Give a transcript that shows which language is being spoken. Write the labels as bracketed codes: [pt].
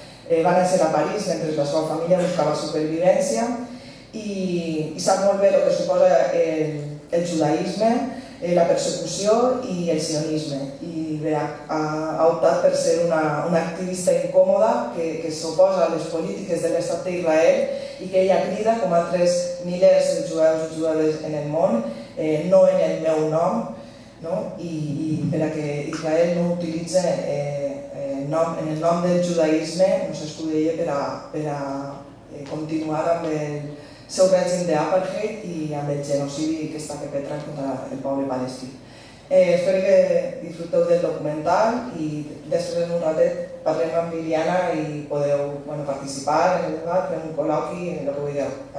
[ca] Va néixer a París mentre la seva família buscava supervivència i sap molt bé el que suposa el judaïsme, la persecució i el sionisme. I bé, ha optat per ser una activista incòmoda que s'oposa a les polítiques de l'estat d'Israel i que ella crida, com altres milers de jueus i jueves en el món, no en el meu nom, ¿no? [es] Y para que Israel no utilice en el nombre del judaísmo, no se escude ella para continuar con [ca] el seu règim [es] de apartheid y con el genocidi que está perpetrando contra el pueblo palestino. [ca] Espero que disfruteu del documental [es] y después [ca] en un ratet parlem amb Liliana y podeu, bueno, participar en el debat, fer un col·loqui en lo que vulgueu.